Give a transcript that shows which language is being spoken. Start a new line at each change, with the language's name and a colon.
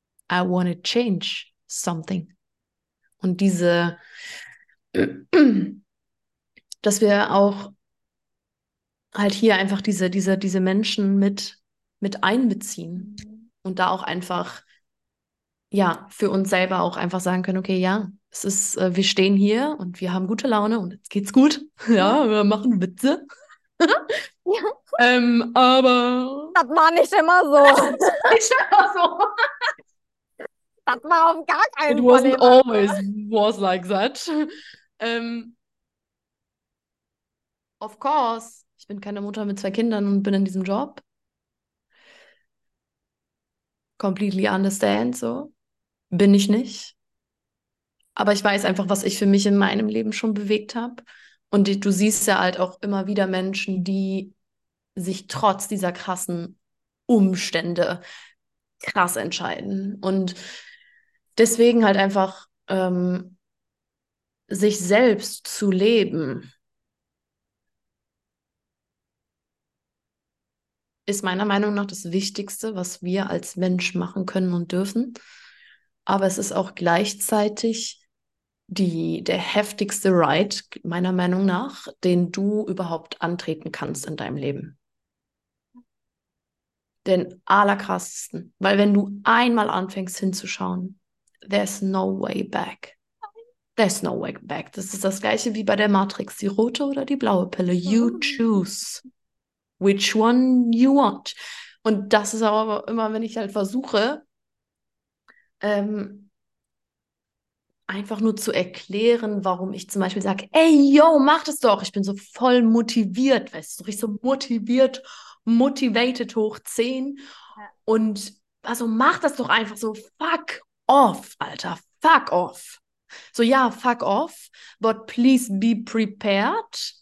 English: I want to change something.
German: Und diese, dass wir auch halt hier einfach diese Menschen mit einbeziehen und da auch einfach, ja, für uns selber auch einfach sagen können, okay, ja, es ist, wir stehen hier und wir haben gute Laune und jetzt geht's gut. Ja, wir machen Witze. Ja. aber Das war nicht immer so. ich war so. Das war auf gar
English: It
German: keinen Fall immer
English: wasn't
German: so.
English: always was like that. Of course,
German: ich bin keine Mutter mit zwei Kindern und bin in diesem Job.
English: Completely understand, so.
German: Bin ich nicht. Aber ich weiß einfach, was ich für mich in meinem Leben schon bewegt habe. Und du siehst ja halt auch immer wieder Menschen, die sich trotz dieser krassen Umstände krass entscheiden. Und deswegen halt einfach sich selbst zu leben, ist meiner Meinung nach das Wichtigste, was wir als Mensch machen können und dürfen. Aber es ist auch gleichzeitig der heftigste Ride, meiner Meinung nach, den du überhaupt antreten kannst in deinem Leben. Den allerkrassesten. Weil wenn du einmal anfängst hinzuschauen,
English: there's no way back.
German: There's no way back. Das ist das gleiche wie bei der Matrix. Die rote oder die blaue Pille.
English: You choose which one you want.
German: Und das ist aber immer, wenn ich halt versuche, einfach nur zu erklären, warum ich zum Beispiel sage, ey, yo, mach das doch. Ich bin so voll motiviert, weißt du, richtig so motiviert,
English: motivated
German: hoch 10. Und also mach das doch einfach so, fuck.
English: Off, Alter, fuck off. So,
German: ja,
English: fuck off, but please be prepared.